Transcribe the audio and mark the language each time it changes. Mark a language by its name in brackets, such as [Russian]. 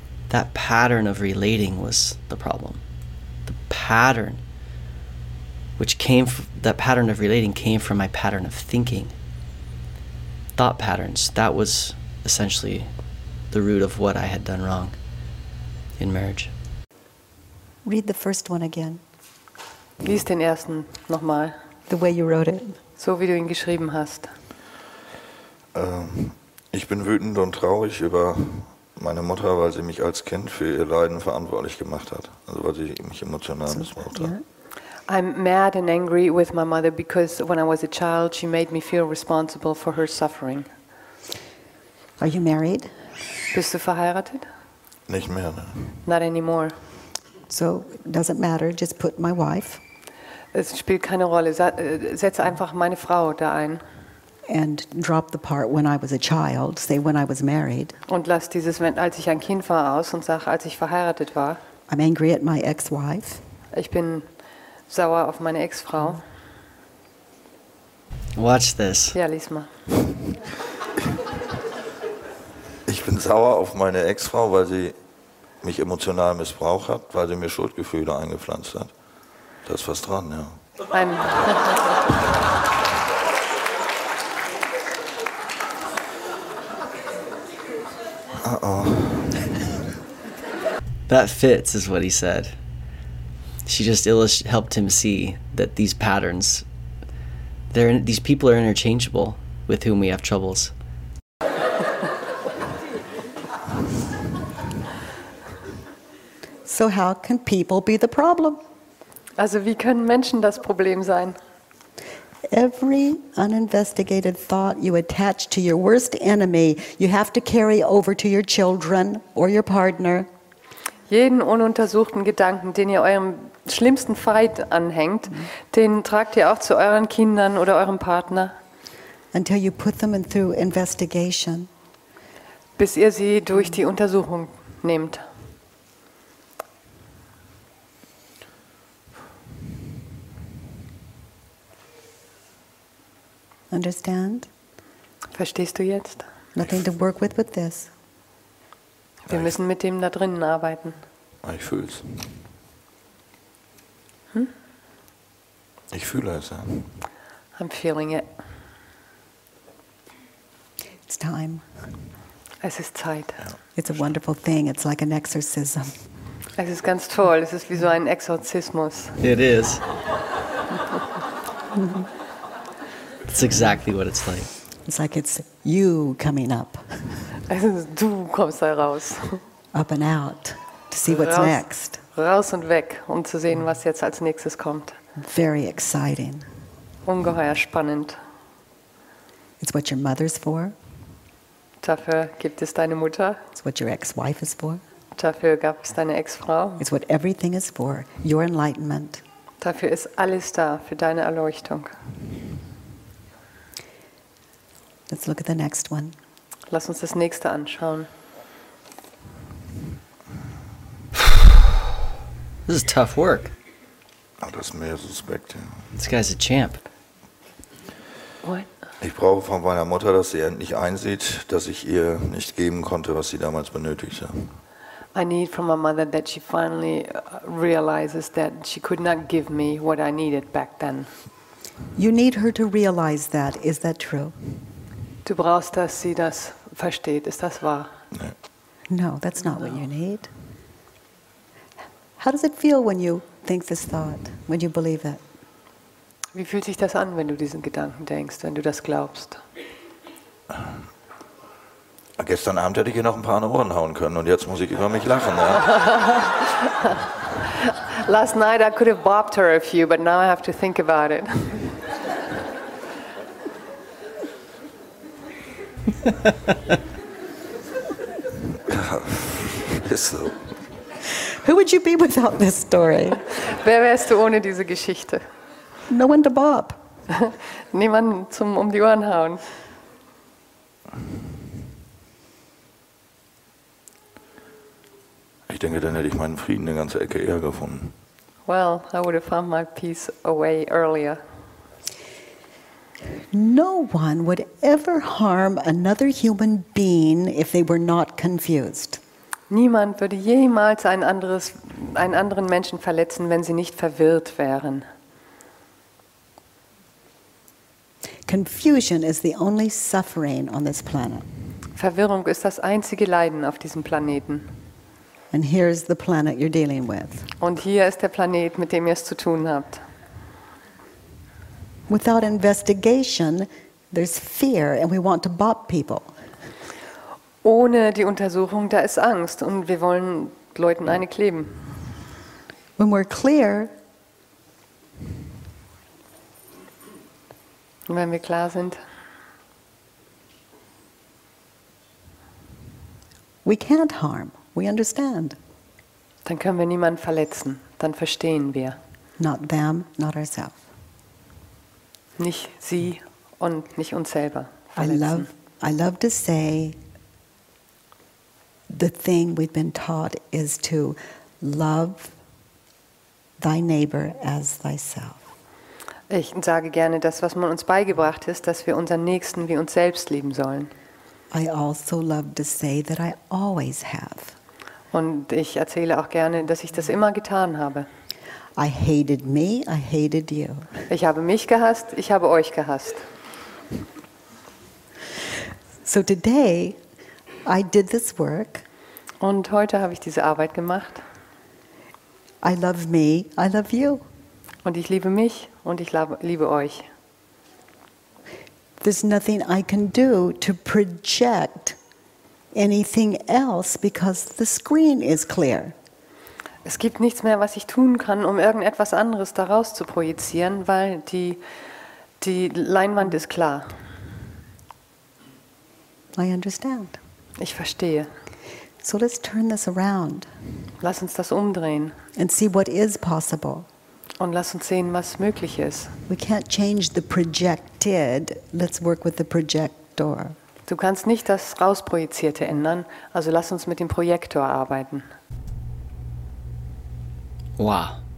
[English] That pattern of relating was the problem. The pattern, that pattern of relating came from my pattern of thinking. Thought patterns, that was essentially the root of what I had done wrong in marriage. Read the first one again. [German] Lies den ersten nochmal. [English] The way you wrote it. [German] So wie du ihn geschrieben hast. Ich bin wütend und traurig über meine Mutter, weil sie mich als Kind für ihr Leiden verantwortlich gemacht hat. Also weil sie mich emotional missbraucht hat. [English] I'm mad and angry with my mother because when I was a child she made me feel responsible for her suffering. Are you married? [German] Bist du verheiratet? Nicht mehr, ne? [English] Not anymore. So, doesn't matter, just put my wife. [German] Es spielt keine Rolle, setz einfach meine Frau da ein. [English] And drop the part when I was a child, say when I was married. [German] Und lass dieses als ich ein Kind war aus und sag als ich verheiratet war. [English] I'm angry at my ex-wife. [German] Ich bin sauer auf meine Ex-Frau. [English] Watch this. [German] Ja, lies mal. Ich bin sauer auf meine Ex-Frau, weil sie mich emotional missbraucht hat, weil sie mir Schuldgefühle eingepflanzt hat. Da ist was dran, ja. [English] That fits, is what he said. She just helped him see that these patterns, these people are interchangeable with whom we have troubles. So how can people be the problem? [German] Also wie können Menschen das Problem sein? [English] Every uninvestigated thought you attach to your worst enemy, you have to carry over to your children or your partner. [German] Jeden ununtersuchten Gedanken, den ihr eurem schlimmsten Feind anhängt, den tragt ihr auch zu euren Kindern oder eurem Partner. [English] Until you put them in through investigation. [German] Bis ihr sie durch die Untersuchung nehmt. [English] Understand? [German] Verstehst du jetzt? [English] Nothing to work with but this. [German] Wir müssen mit dem da drinnen arbeiten. Ich fühle es. Ich fühle es, ja. [English] I'm feeling it. It's time. [German] Es ist Zeit. [English] Ja. It's a wonderful thing. It's like an exorcism. [German] Es ist ganz toll. Es ist wie so ein Exorzismus. [English] It is. It's exactly what it's like. It's like it's you coming up. [German] Es ist du kommst da raus. [English] Up and out to see what's raus, next. [German] Raus und weg, um zu sehen, was jetzt als nächstes kommt. [English] Very exciting. [German] Ungeheuer spannend. [English] It's what your mother's for. [German] Dafür gibt es deine Mutter. [English] It's what your ex-wife is for. [German] Dafür gab es deine Ex-Frau. [English] It's what everything is for, your enlightenment. [German] Dafür ist alles da, für deine Erleuchtung. [English] Let's look at the next one. [German] Lass uns das nächste anschauen. [English] This is tough work. [German] Oh, das ist mehr suspekt. Ja. [English] This guy's a champ. What? [German] Ich brauche von meiner Mutter, dass sie endlich einsieht, dass ich ihr nicht geben konnte, was sie damals benötigte. [English] I need from my mother that she finally realizes that she could not give me what I needed back then. You need her to realize that. Is that true? [German] Du brauchst, dass sie das versteht. Ist das wahr? Nein. [English] No, that's not what you need. How does it feel when you think this thought, when you believe it? [German] Wie fühlt sich das an, wenn du diesen Gedanken denkst, wenn du das glaubst? Gestern Abend hätte ich hier noch ein paar an Ohren hauen können und jetzt muss ich über mich lachen. Ja? [English] Last night I could have bopped her a few, but now I have to think about it. So. Who would you be without this story? [German] Wer wärst du ohne diese Geschichte? [English] No one to bob. [German] Niemand zum um die Ohren hauen. Ich denke, dann hätte ich meinen Frieden eine ganze Ecke eher gefunden. [English] Well, I would have found my peace away earlier. No one would ever harm another human being if they were not confused. [German] Niemand würde jemals einen anderen Menschen verletzen, wenn sie nicht verwirrt wären. [English] Confusion is the only suffering on this planet. [German] Verwirrung ist das einzige Leiden auf diesem Planeten. [English] And here is the planet you're dealing with. [German] Und hier ist der Planet, mit dem ihr es zu tun habt. [English] Without investigation, there's fear, and we want to bop people. [German] Ohne die Untersuchung, da ist Angst, und wir wollen Leuten eine kleben. [English] When we're clear, [German] wenn wir klar sind, [English] we can't harm. We understand. [German] Dann können wir niemanden verletzen. Dann verstehen wir. [English] Not them, not ourselves. [German] Nicht sie und nicht uns selber verletzen. [English] I love to say the thing we've been taught is to love thy neighbor as thyself. [German] Ich sage gerne das, was man uns beigebracht ist, dass wir unseren Nächsten wie uns selbst lieben sollen. [English] I also love to say that I always have. [German] Und ich erzähle auch gerne, dass ich das immer getan habe. [English] I hated me, I hated you. [German] Ich habe mich gehasst, ich habe euch gehasst. [English] So today I did this work. [German] Und heute habe ich diese Arbeit gemacht. [English] I love me, I love you. [German] Und ich liebe mich und ich liebe euch. [English] There's nothing I can do to project anything else because the screen is clear. [German] Es gibt nichts mehr, was ich tun kann, um irgendetwas anderes daraus zu projizieren, weil die Leinwand ist klar. [English] I understand. [German] Ich verstehe. [English] So let's turn this around. [German] Lass uns das umdrehen. [English] And see what is possible. [German] Und lass uns sehen, was möglich ist. [English] We can't change the projected. Let's work with the projector. [German] Du kannst nicht das Rausprojizierte ändern, also lass uns mit dem Projektor arbeiten. [English] Wow.